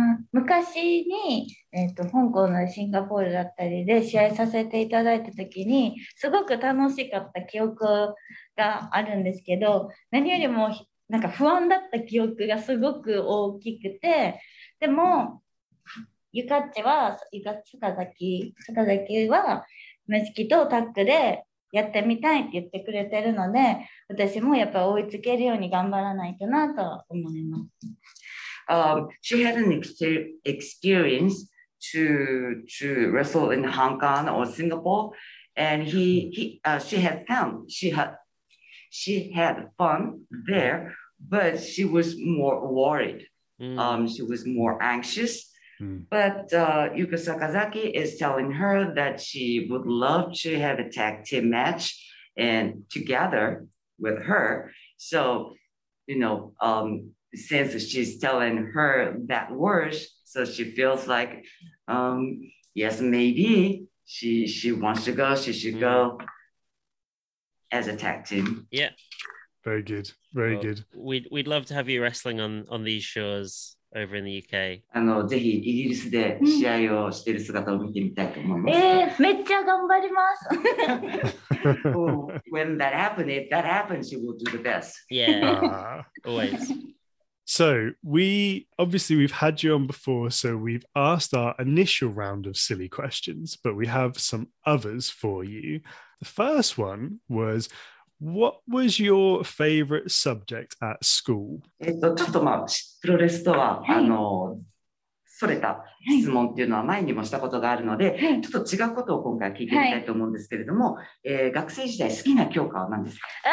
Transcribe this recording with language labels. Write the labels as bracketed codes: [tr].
[ja] 昔に、香港のシンガポールだったりで試合させていただいた時にすごく楽しかった記憶があるんですけど、何よりもなんか不安だった記憶がすごく大きくて、でもゆかっちはゆかっち坂崎はメスキとタッグでやってみたいって言ってくれてるので、私もやっぱ追いつけるように頑張らないとなと思います。 [en] She had an experience to wrestle in Hong Kong or Singapore, and she had fun there, but she was more worried. She was more anxious. But Yuka Sakazaki is telling her that she would love to have a tag team match and together with her. So, you know, since she's telling her that word, so she feels like, yes, maybe she wants to go, she should go as a tag team. Yeah. Very good. Very good. We'd love to have you wrestling on these shows over in the UK. [ja] ぜひイギリスで試合をしている姿を見てみたいと思います。めっちゃ頑張ります。 [en] When that happens, if that happens, she will do the best. Yeah, always. So we've had you on before, so we've asked our initial round of silly questions, but we have some others for you. The first one was, what was your favorite subject at school? [ja] ちょっとまあプロレスとは、はい、それた質問っていうのは前にもしたことがあるので、はい、ちょっと違うことを今回聞いてみたいと思うんですけれども、はい、学生時代好きな教科は何ですか？